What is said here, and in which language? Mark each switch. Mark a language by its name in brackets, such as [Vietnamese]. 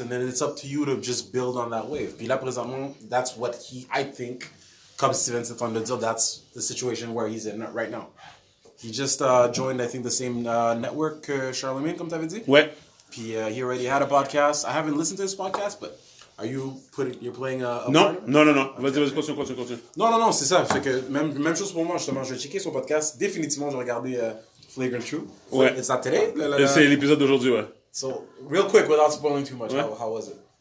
[English] And then it's up to you to just build on that wave. [French] Puis là, présentement, [English] that's what I think... [French] Comme Steven Stephon le dit, [English] that's the situation where he's in right now. He just joined, I think, the same network que Charlemagne, [French] comme tu avais dit. Ouais. [English] Puis he already had a podcast. I haven't listened to his podcast, but you're playing a [French] partner? Non. Okay. Vas-y, continue. Non, c'est ça. Fait que même chose pour moi, justement, je vais checker son podcast. Définitivement, je vais regarder Flagrant 2. Ouais. [English] Is that today? [French] C'est l'épisode d'aujourd'hui, ouais. [English] So, real quick, without spoiling too much, how was it?